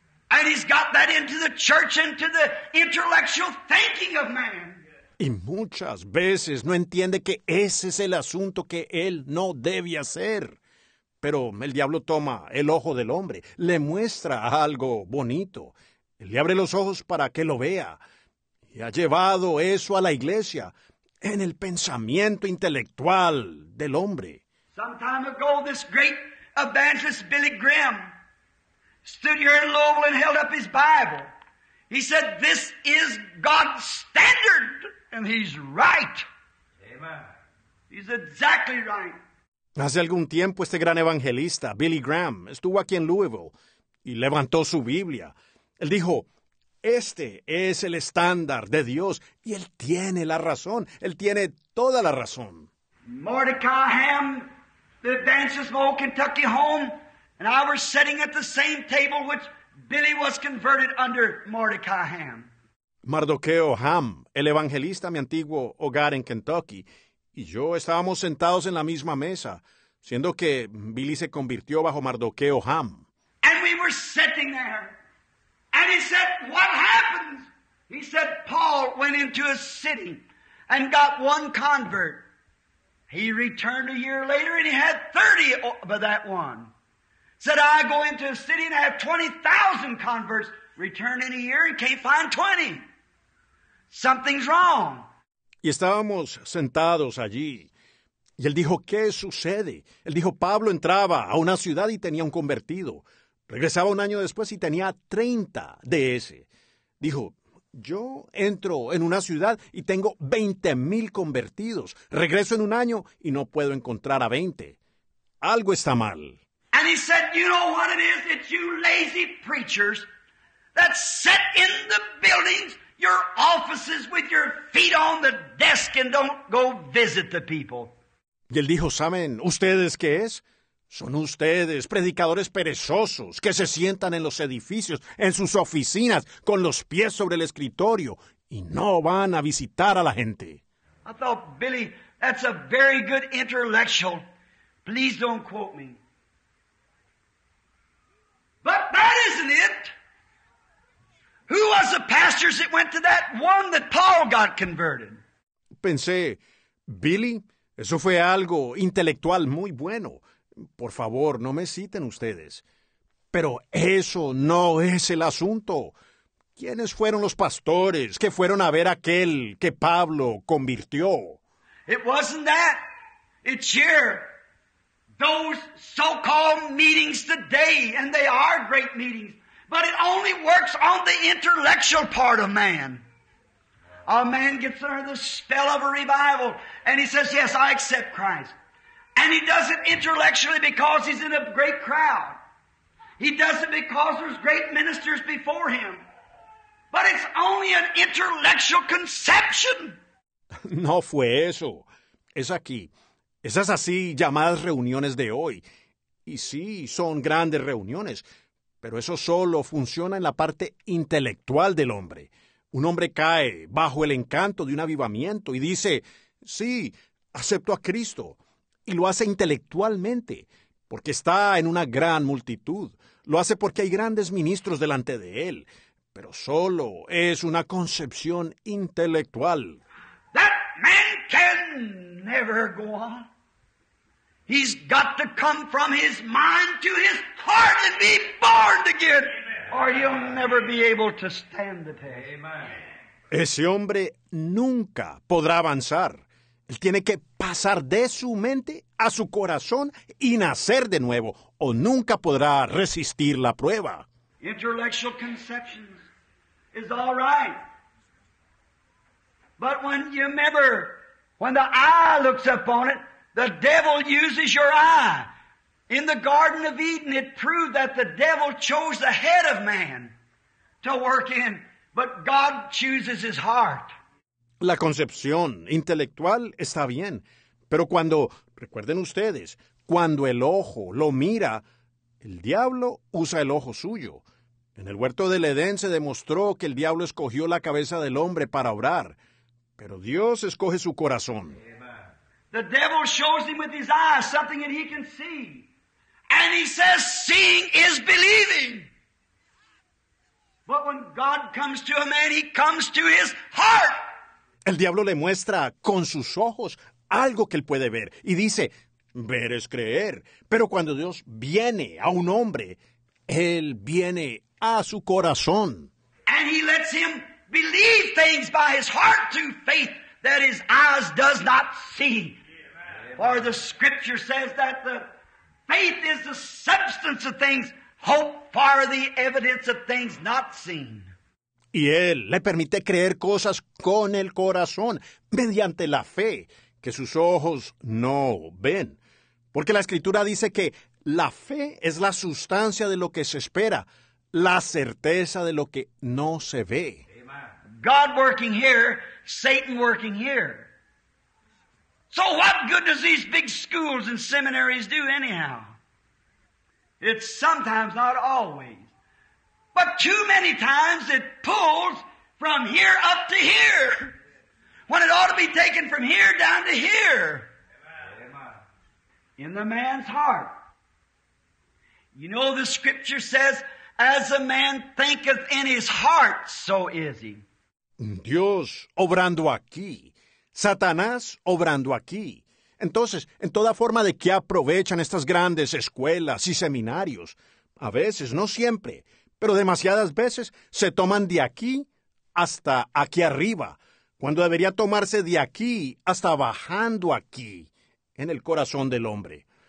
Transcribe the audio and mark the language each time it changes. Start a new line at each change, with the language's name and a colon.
English: And he's got that into the church, into the intellectual thinking of man.
Spanish: Y muchas veces no entiende que ese es el asunto que él no debe hacer. Pero el diablo toma el ojo del hombre, le muestra algo bonito. Le abre los ojos para que lo vea. Y ha llevado eso a la iglesia, en el pensamiento intelectual del hombre.
English: Some time ago, this great evangelist Billy Graham stood here in Louisville and held up his Bible. He said, this is God's standard, and he's right. Amen. He's exactly right.
Spanish: Hace algún tiempo, este gran evangelista, Billy Graham, estuvo aquí en Louisville y levantó su Biblia. Él dijo, este es el estándar de Dios y él tiene la razón. Él tiene toda la razón.
English: Mordecai Ham, the evangelist of Old Kentucky Home, and I were sitting at the same table which Billy was converted under Mordecai Ham.
Spanish: Mardoqueo Ham, el evangelista de mi antiguo hogar en Kentucky, y yo estábamos sentados en la misma mesa, siendo que Billy se convirtió bajo Mardoqueo Ham.
English: And we were sitting there. And he said, what happens? He said, Paul went into a city and got one convert. He returned a year later and he had 30 of that one. Said, I go into a city and I have 20,000 converts. Return in a year and can't find 20. Something's wrong.
Spanish: Y estábamos sentados allí. Y él dijo, ¿qué sucede? Él dijo, Pablo entraba a una ciudad y tenía un convertido. Regresaba un año después y tenía 30 de ese. Dijo, yo entro en una ciudad y tengo 20,000 convertidos. Regreso en un año y no puedo encontrar a 20. Algo está mal.
English: And he said, you know what it is? It's you lazy preachers that sit in the buildings, your offices with your feet on the desk and don't go visit the people.
Spanish: Y él dijo, ¿saben ustedes qué es? Son ustedes, predicadores perezosos, que se sientan en los edificios, en sus oficinas, con los pies sobre el escritorio, y no van a visitar a la gente.
English: I thought, Billy, that's a very good intellectual. Please don't quote me. But that isn't it. Who was the pastors that went to that one that Paul got converted?
Spanish: Pensé, Billy, Eso fue algo intelectual muy bueno. Por favor, no me citen ustedes. Pero eso no es el asunto. ¿Quiénes fueron los pastores que fueron a ver aquel que Pablo convirtió?
English: It wasn't that. It's here. Those so-called meetings today, and they are great meetings, but it only works on the intellectual part of man. A man gets under the spell of a revival, and he says, yes, I accept Christ. And he does it intellectually because he's in a great crowd. He does it because there's great ministers before him. But it's only an intellectual conception.
Spanish: No fue eso. Es aquí. Esas así llamadas reuniones de hoy. Y sí, son grandes reuniones. Pero eso solo funciona en la parte intelectual del hombre. Un hombre cae bajo el encanto de un avivamiento y dice, sí, acepto a Cristo. Y lo hace intelectualmente, porque está en una gran multitud. Lo hace porque hay grandes ministros delante de él. Pero solo es una concepción intelectual.
English: That man can never go on. He's got to come from his mind to his heart and be born again. Or he'll never be able to stand the test.
Spanish: Ese hombre nunca podrá avanzar. Él tiene que pasar de su mente a su corazón y nacer de nuevo, o nunca podrá resistir la prueba.
English: Intellectual conceptions is all right. But when you remember, when the eye looks upon it, the devil uses your eye. In the Garden of Eden, it proved that the devil chose the head of man to work in, but God chooses his heart.
Spanish: La concepción intelectual está bien, pero cuando, recuerden ustedes, cuando el ojo lo mira, el diablo usa el ojo suyo. En el huerto del Edén se demostró que el diablo escogió la cabeza del hombre para obrar, pero Dios escoge su corazón.
English: The devil shows him with his eyes something that he can see. And he says, seeing is believing. But when God comes to a man, he comes to his heart.
Spanish: El diablo le muestra con sus ojos algo que él puede ver. Y dice, ver es creer. Pero cuando Dios viene a un hombre, él viene a su corazón.
English: And he lets him believe things by his heart through faith that his eyes does not see. For the scripture says that the faith is the substance of things hoped for, the evidence of things not seen.
Spanish: Y él le permite creer cosas con el corazón, mediante la fe, que sus ojos no ven. Porque la escritura dice que la fe es la sustancia de lo que se espera, la certeza de lo que no se ve.
English: God working here, Satan working here. So what good does these big schools and seminaries do anyhow? It's sometimes, not always. But too many times it pulls from here up to here, when it ought to be taken from here down to here. In the man's heart. You know, the scripture says, as a man thinketh in his heart, so is he.
Spanish: Dios obrando aquí. Satanás obrando aquí. Entonces, en toda forma de que aprovechan estas grandes escuelas y seminarios, a veces, no siempre, pero demasiadas veces, se toman de aquí hasta aquí arriba, cuando debería tomarse de aquí hasta bajando aquí, en el corazón del hombre.